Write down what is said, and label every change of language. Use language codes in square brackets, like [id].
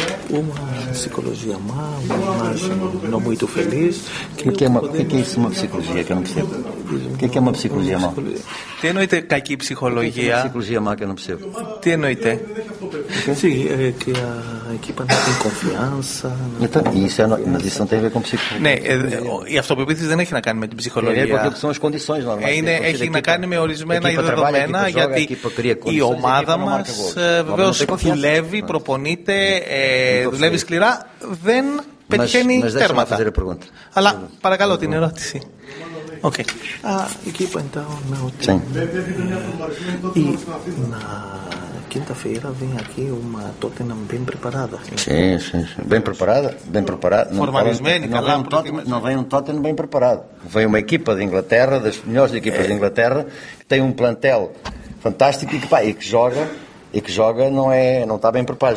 [pt] Uma psicologia má, uma imagem não muito feliz. O que é uma psicologia que eu não percebo? O que é uma psicologia má? Tem noite. Sim, é que a equipa não tem confiança. Mas isso não tem a ver com psicologia. [el] Ναι, η αυτοποίθηση δεν έχει να κάνει με την ψυχολογία. Έχει να κάνει με ορισμένα δεδομένα, γιατί η ομάδα μας βεβαίως δουλεύει, προπονείται, δουλεύει σκληρά, δεν πετυχαίνει τέρματα. Αλλά παρακαλώ την ερώτηση. [en] Okay. [pt] Equipa então, meu time. E na quinta-feira vem aqui uma Tottenham bem preparada. Sim. Bem preparada. Não vem um Tottenham bem preparado. Vem uma equipa de Inglaterra, das melhores equipas de Inglaterra, que tem um plantel fantástico e que joga, não é, não está bem preparado.